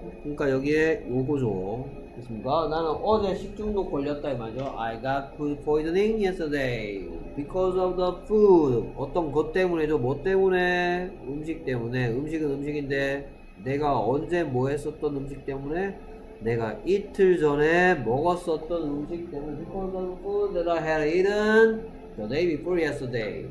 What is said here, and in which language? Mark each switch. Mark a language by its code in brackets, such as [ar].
[ko] 그러니까 여기에 요거죠. 됐습니까? 나는 어제 식중독 걸렸다 이거죠. [en] I got food poisoning yesterday because of the food. [ko] 어떤 것 때문에죠? 뭐 때문에? 음식 때문에. 음식은 음식인데 내가 언제 뭐 했었던 음식 때문에? 내가 이틀 전에 먹었었던 음식 때문에. [en] Because of food that I had eaten the day before yesterday.